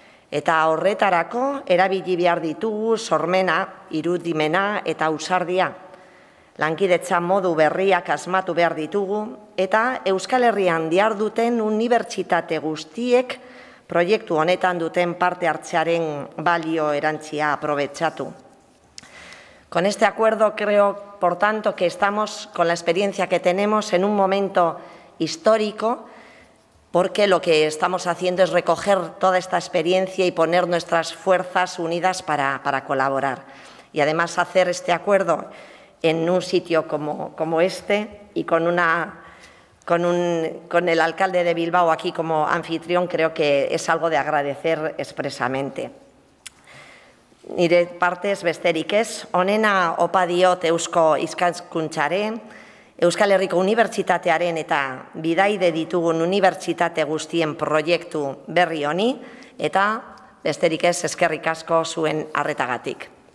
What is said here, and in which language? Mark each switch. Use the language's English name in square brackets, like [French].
[Basque] Eta horretarako erabili behar ditugu sormena, irudimena eta ausardia. Lankidetza modu berriak asmatu behar ditugu eta Euskal Herrian diharduten unibertsitate guztiek proiektu honetan duten parte hartzearen balio erantzia aprobetxatu. [Spanish] Con este acuerdo creo, por tanto, que estamos con la experiencia que tenemos en un momento histórico, porque lo que estamos haciendo es recoger toda esta experiencia y poner nuestras fuerzas unidas para colaborar. Y además hacer este acuerdo en un sitio como este y con el alcalde de Bilbao aquí como anfitrión, creo que es algo de agradecer expresamente. [Basque] Nire partez besterik ez, onena opa diot Eusko Ikaskuntzaren, Euskal Herriko Unibertsitatearen eta bidaide ditugun unibertsitate guztien proiektu berri honi, eta besterik ez eskerrik asko zuen arretagatik.